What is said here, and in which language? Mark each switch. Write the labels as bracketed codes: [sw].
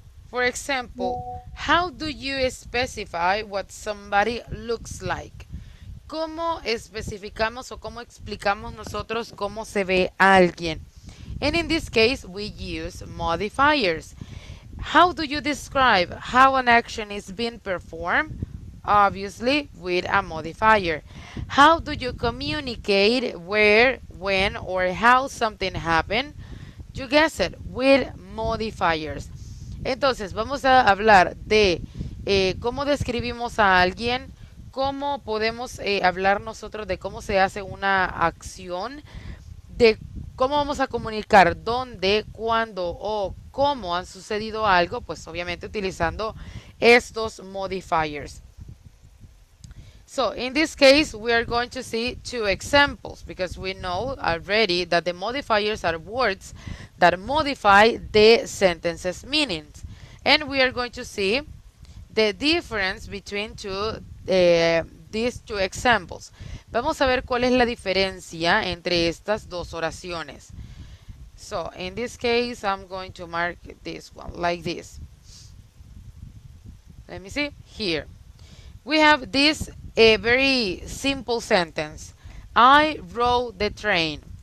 [en] For example, how do you specify what somebody looks like? [es] ¿Cómo especificamos o cómo explicamos nosotros cómo se ve alguien? [en] And in this case we use modifiers. How do you describe how an action is being performed? Obviously, with a modifier. How do you communicate where, when, or how something happened? You guess it, with modifiers. [es] Entonces, vamos a hablar de cómo describimos a alguien, cómo podemos hablar nosotros de cómo se hace una acción, de cómo vamos a comunicar dónde, cuándo o cómo han sucedido algo, pues obviamente utilizando estos modifiers. [en] So, in this case, we are going to see two examples because we know already that the modifiers are words that modify the sentence's meanings. And we are going to see the difference between these two examples. [es] Vamos a ver cuál es la diferencia entre estas dos oraciones. [en] So, in this case, I'm going to mark this one like this. Let me see. Here. We have this a very simple sentence. I rode the train.